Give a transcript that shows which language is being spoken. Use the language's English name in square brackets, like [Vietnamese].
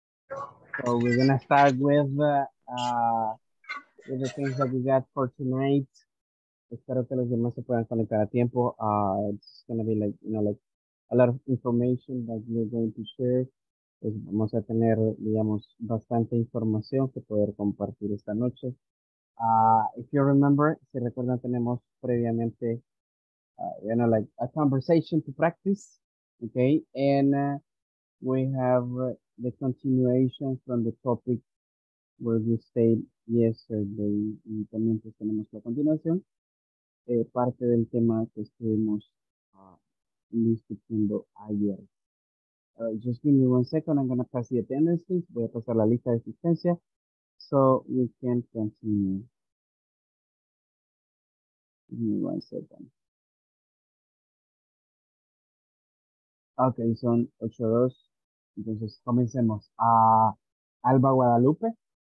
[English] So we're gonna start with the things that we got for tonight. [Spanish] Espero que los demás se puedan conectar a tiempo. [English] It's gonna be like, you know, like a lot of information that we're going to share. [Spanish] Pues vamos a tener, digamos, bastante información que poder compartir esta noche. [English] If you remember, [Spanish] si recuerdan, tenemos previamente, [English] you know, like a conversation to practice, okay, and we have the continuation from the topic where we stayed yesterday. [Spanish] Y también pues tenemos la continuación, parte del tema que estuvimos discutiendo ayer. [English] Just give me one second, I'm going to pass the attendance list. [Spanish] Voy a pasar la lista de asistencia, [English] so we can continue. Give me one second. [Spanish] Okay, son 8-2. Entonces, comencemos. Alba Guadalupe.